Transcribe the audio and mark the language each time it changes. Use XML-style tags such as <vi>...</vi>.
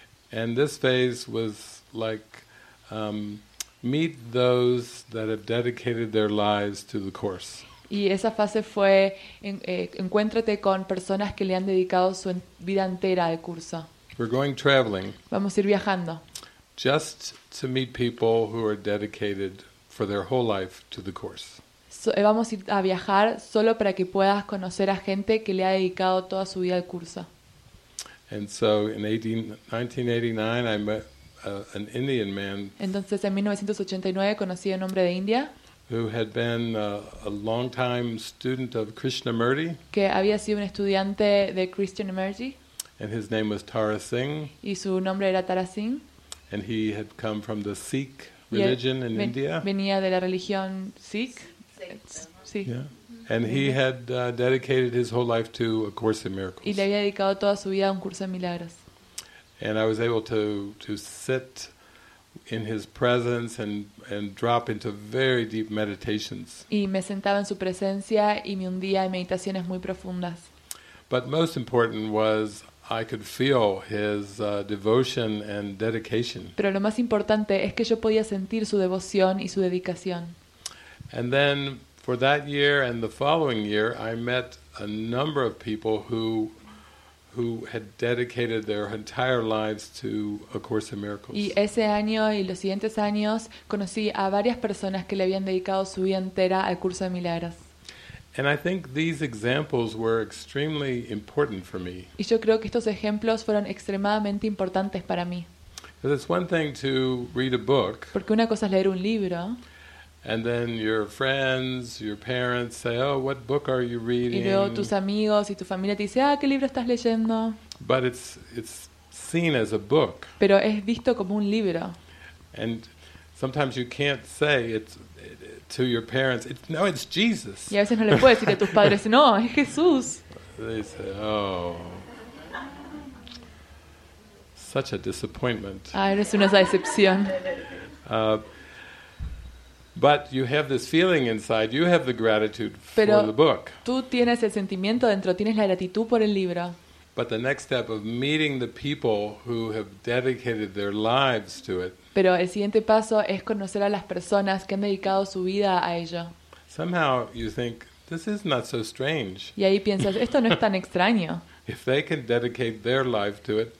<en>And this phase was like meet those that have dedicated their lives to the course.</en> <es>Y esa fase fue encuéntrate con personas que le han dedicado su vida entera al curso.</es> <en>We're going traveling.</en> <es>Vamos a ir viajando.</es> <en>Just to meet people who are dedicated for their whole life to the course.</en> <es>Vamos a ir a viajar solo para que puedas conocer a gente que le ha dedicado toda su vida al curso.</es> <en>And so in 1989 I met an Indian man.</en> <es>Entonces en 1989 conocí a un hombre de India.</es> <en>Who had been a long-time student of Krishnamurti.</en> <es>Que había sido un estudiante de Krishnamurti.</es> <en>And his name was Tara Singh.</en> <es>Y su nombre era Tara Singh.</es> <en>And he had come from the Sikh religion in India.</en> <es>Venía de la religión Sikh. Sí.</es> <en>Yeah. And he had dedicated his whole life to A Course in Miracles.</en> <es>Y le había dedicado toda su vida a un curso de milagros.</es> <en>And I was able to sit in his presence and drop into very deep meditations.</en> <es>Y me sentaba en su presencia y me hundía en meditaciones muy profundas.</es> <en>But most important was I could feel his devotion and dedication.</en> <es>Pero lo más importante es que yo podía sentir su devoción y su dedicación.</es> <en>And then for that year and the following year I met a number of people who had dedicated their entire lives to A Course in Miracles.</en> <es>Y ese año y los siguientes años conocí a varias personas que le habían dedicado su vida entera al curso de milagros.</es> <en>And I think these examples were extremely important for me.</en> <es>Y yo creo que estos ejemplos fueron extremadamente importantes para mí.</es> <en>Because it's one thing to read a book.</en> <es>Porque una cosa es leer un libro.</es> <en>And then your friends, your parents say, "Oh, what book are you reading?"</en> <es>Y luego tus amigos y tu familia te dice, "Ah, ¿qué libro estás leyendo?"</es> <en>But it's seen as a book.</en> <es>Pero es visto como un libro.</es> <en>And sometimes you can't say it's to your parents. No, it's Jesus.</en> <es>Y a veces no le puedes decir a tus padres, "No, es Jesús."</es> <en>They say, "Oh, such a disappointment."</en> <es>Ah, eres una decepción.</es> <en>But you have this feeling inside. You have the gratitude</en> <es>Pero</es> <en>for the book.</en> <es>Tú tienes el sentimiento dentro. Tienes la gratitud por el libro.</es> <en>But the next step of meeting the people who have dedicated their lives to it.</en> <es>Pero el siguiente paso es conocer a las personas que han dedicado su vida a ello.</es> <en>Somehow you think this is not so strange.</en> <es>Y ahí piensas esto no es tan extraño.</es> <en>If they can dedicate their life to it.</en>